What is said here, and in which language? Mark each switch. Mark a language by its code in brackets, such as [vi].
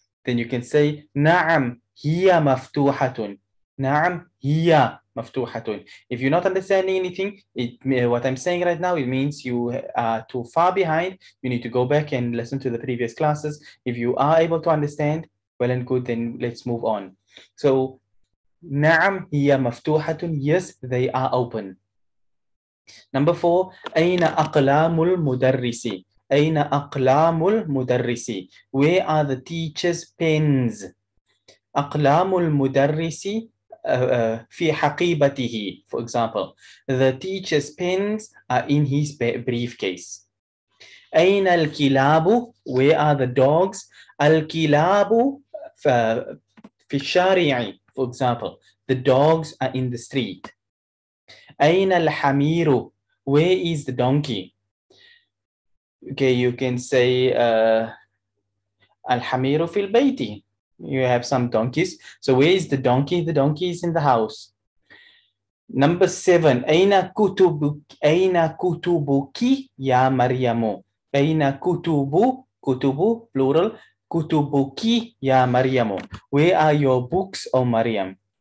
[en] Then you can say [ar] نعم هي مفتوحة. نعم هي مفتوحة. [en] If you're not understanding anything, what I'm saying right now, it means you are too far behind. You need to go back and listen to the previous classes. If you are able to understand, well and good. Then let's move on. So [ar] نعم هي مفتوحة. [en] Yes, they are open. Number four, [ar] أين أقلام المدرس؟ أين أقلام المدرس؟ [en] Where are the teacher's pens? [ar] أقلام المدرس في حقيبته. [en] For example, the teacher's pens are in his briefcase. [ar] أين الكلاب؟ [en] Where are the dogs? [ar] الكلاب في الشارع. [en] For example, the dogs are in the street. [ar] أين الحمير؟ [en] Where is the donkey? Okay, you can say [ar] الحمير في البيت. [en] You have some donkeys. So where is the donkey? The donkey is in the house. Number seven. [ar] أين كتبك يا مريم؟ أين كتب plural كتبك يا مريم؟ [en] Where are your books, O Maryam?